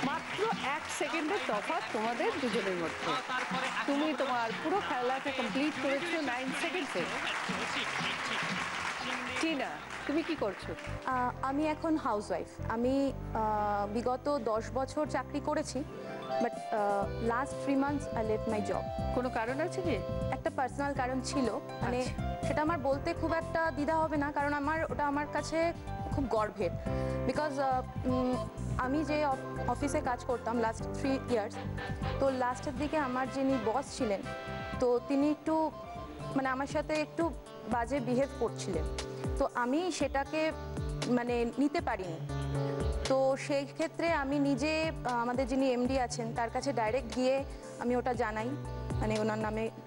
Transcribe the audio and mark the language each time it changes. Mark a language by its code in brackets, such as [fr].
[bn] মাত্র 1 সেকেন্ডের তফাৎ তোমাদের দুজনের মধ্যে তুমি তোমার পুরো খেলাতে কমপ্লিট করেছো 9 সেকেন্ডে টিনা তুমি কি করছো আমি এখন হাউসওয়াইফ আমি বিগত 10 বছর চাকরি করেছি [en] But last 3 months I left my job. [bn] কোনো কারণ আছে কি? একটা পার্সোনাল কারণ ছিল মানে সেটা আমার বলতে খুব একটা দ্বিধা হবে না কারণ আমার ওটা আমার কাছে খুব গর্বের বিকজ আমি যে অফিসে কাজ করতাম লাস্ট 3 ইয়ার্স তো লাস্টের দিকে আমার যিনি বস ছিলেন তো তিনি একটু মানে আমার সাথে একটু বাজে বিহেভ করছিলেন তো আমি সেটাকে মানে নিতে পারিনি তো সেই ক্ষেত্রে আমি নিজে আমাদের যিনি এমডি আছেন তার কাছে ডাইরেক্ট গিয়ে আমি ওটা জানাই মানে ওনার নামে